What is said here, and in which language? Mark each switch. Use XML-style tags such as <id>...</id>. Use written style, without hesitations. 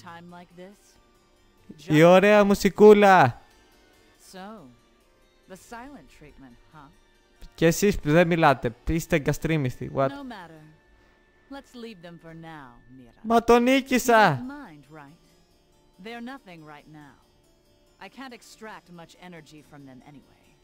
<el>Like this, η ωραία μουσικούλα.</el> <en>So, the silent treatment, huh?</en> <el>Και εσείς που δεν μιλάτε, είστε εγκαστρίμιστοι.</el> <en>What? No matter. Let's leave them for now, Mira.</en> <el>Μα τον νίκησα.</el> <en>Mind, right? They're nothing right now. I can't extract much energy from them anyway.</en>